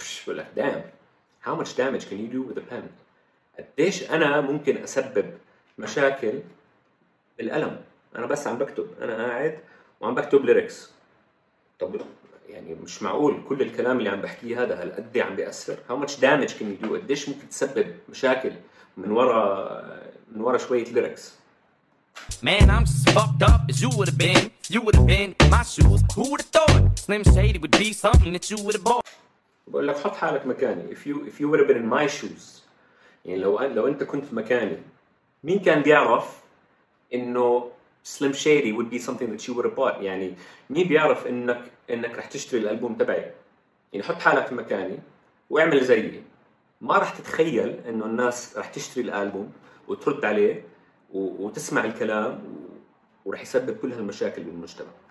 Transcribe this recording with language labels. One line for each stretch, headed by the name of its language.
Arabic: بقول لك دام،
English: how much damage can you do with a pen؟
Arabic: قديش انا ممكن اسبب مشاكل بالقلم؟ انا بس عم بكتب، انا قاعد وعم بكتب ليركس. طب يعني مش معقول كل الكلام اللي عم بحكيه هذا هالقد عم بيأثر.
English: How much damage can you do؟
Arabic: قديش ممكن تسبب مشاكل من ورا شوية ليركس.
English: Man I'm just fucked up as you would have been. You would have been my shoes. Who would have thought Slim Shady would be something that you would have bought.
Arabic: بقول لك حط حالك مكاني.
English: If you would have been in my shoes.
Arabic: يعني لو انت كنت في مكاني، مين كان بيعرف انه Slim Shady
English: would be something that you would have bought؟
Arabic: يعني مين بيعرف انك رح تشتري الالبوم تبعي؟ يعني حط حالك في مكاني واعمل زيي. ما رح تتخيل انه الناس رح تشتري الالبوم وترد عليه وتسمع الكلام ورح يسبب كل هالمشاكل بالمجتمع.